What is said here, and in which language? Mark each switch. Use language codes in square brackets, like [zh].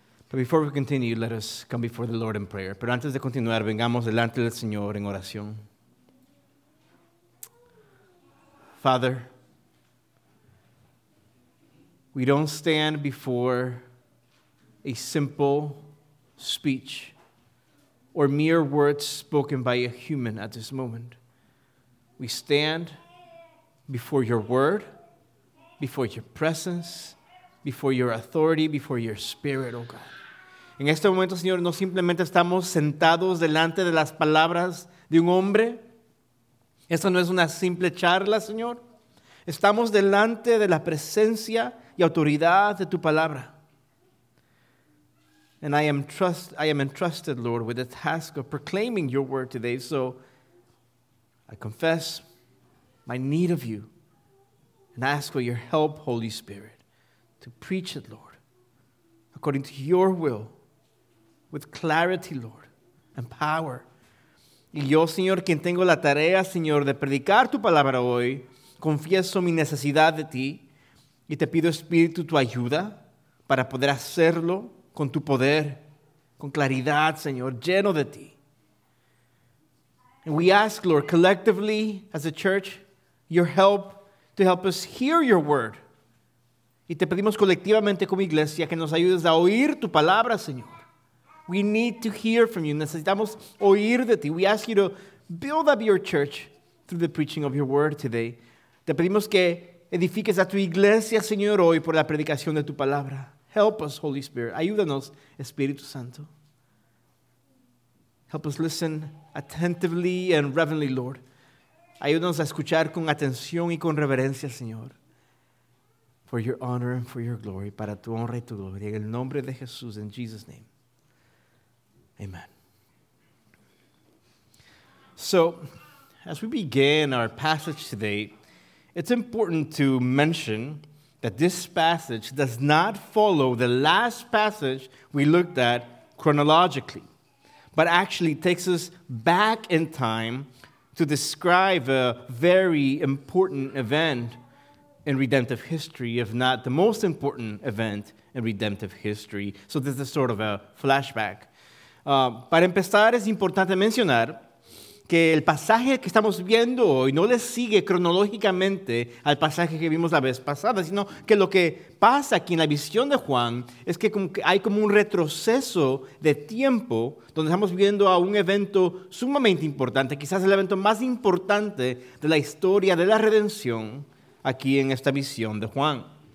[en] But before we continue, let us come before the Lord in prayer. [es] Pero antes de continuar, vengamos delante del Señor en oración. [en] Father, we don't stand before a simple speech or mere words spoken by a human at this moment. We stand before your word, before your presence, before your authority, before your spirit, oh God. [es] En este momento, Señor, no simplemente estamos sentados delante de las palabras de un hombre. Esto no es una simple charla, Señor. Estamos delante de la presencia y autoridad de tu palabra. [en] And I am entrusted, Lord, with the task of proclaiming your word today. So I confess my need of you and ask for your help, Holy Spirit, to preach it, Lord, according to your will, with clarity, Lord, and power. [es] Y yo, Señor, quien tengo la tarea, Señor, de predicar tu palabra hoy, confieso mi necesidad de ti. Y te pido, Espíritu, tu ayuda para poder hacerlo con tu poder, con claridad, Señor, lleno de ti. [en] And we ask, Lord, collectively as a church, your help to help us hear your word. [es] Y te pedimos colectivamente como iglesia que nos ayudes a oír tu palabra, Señor. [en] We need to hear from you. [es] Necesitamos oír de ti. [en] We ask you to build up your church through the preaching of your word today. [es] Te pedimos que edifiques a tu iglesia, Señor, hoy por la predicación de tu palabra. [en] Help us, Holy Spirit. [es] Ayúdanos, Espíritu Santo. [en] Help us listen attentively and reverently, Lord. [es] Ayúdanos a escuchar con atención y con reverencia, Señor. [en] For your honor and for your glory. [es] Para tu honra y tu gloria. En el nombre de Jesús, [en] in Jesus' name. Amen. So, as we begin our passage today, it's important to mention that this passage does not follow the last passage we looked at chronologically, but actually takes us back in time to describe a very important event in redemptive history, if not the most important event in redemptive history. So this is sort of a flashback. [es] Para empezar, es importante mencionar que el pasaje que estamos viendo hoy no le sigue cronológicamente al pasaje que vimos la vez pasada, sino que lo que pasa aquí en la visión de Juan es que hay como un retroceso de tiempo donde estamos viendo a un evento sumamente importante, quizás el evento más importante de la historia de la redención aquí en esta visión de Juan.